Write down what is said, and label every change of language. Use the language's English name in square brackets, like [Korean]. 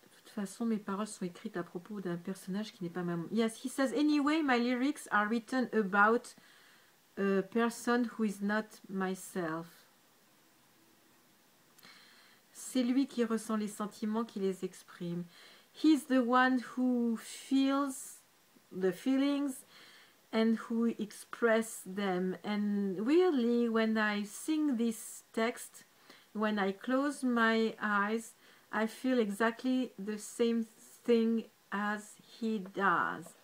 [French] De toute façon, mes paroles sont écrites à propos d'un personnage qui n'est pas ma... [English] Yes, he says, anyway, my lyrics are written about a person who is not myself. [French] C'est lui qui ressent les sentiments, qui les exprime. [English] He's the one who feels the feelings and who express them. And weirdly, when I sing this text, when I close my eyes, I feel exactly the same thing as he does.